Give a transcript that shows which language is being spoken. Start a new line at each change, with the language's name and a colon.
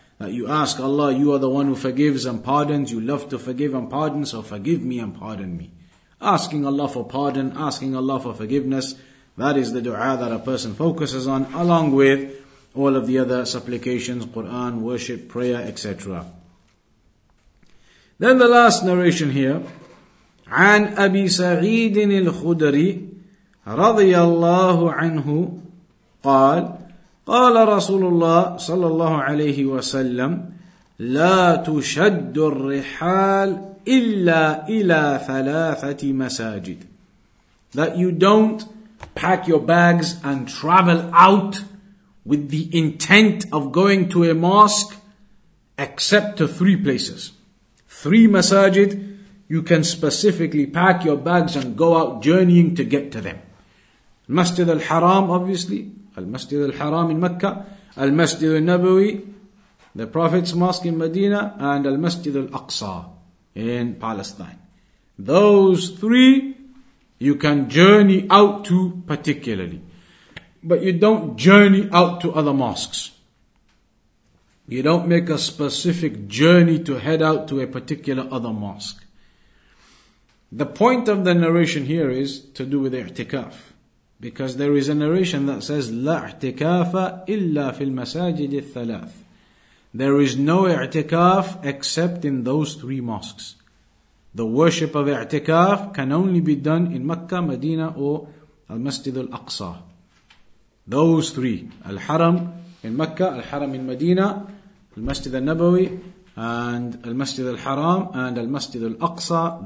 English: That you ask Allah, you are the one who forgives and pardons, you love to forgive and pardon, so forgive me and pardon me. Asking Allah for pardon, asking Allah for forgiveness, that is the dua that a person focuses on, along with all of the other supplications, Quran, worship, prayer, etc. Then the last narration here,
Arabic: عن أبي سعيد الخدري رضي الله عنه قال قال رسول الله صلى الله عليه وسلم لا تشد الرحال إلا إلى ثلاثة مساجد.
English: That you don't pack your bags and travel out with the intent of going to a mosque except to three places. Three masajid, you can specifically pack your bags and go out journeying to get to them. Masjid al-Haram, obviously. Al-Masjid al-Haram in Mecca, Al-Masjid al-Nabawi, the Prophet's Mosque in Medina, and Al-Masjid al-Aqsa in Palestine. Those three, you can journey out to particularly. But you don't journey out to other mosques. You don't make a specific journey to head out to a particular other mosque. The point of the narration here is to do with i'tikaf. Because there is a narration that says,
Arabic: لا اعتكاف إلا في المساجد الثلاث.
English: There is no i'tikaf except in those three mosques. The worship of i'tikaf can only be done in Mecca, Medina, or Al-Masjid Al-Aqsa. Those three. Al-Haram in Mecca, Al-Haram in Medina, Al-Masjid Al-Nabawi, and Al-Masjid Al-Haram, and Al-Masjid Al-Aqsa.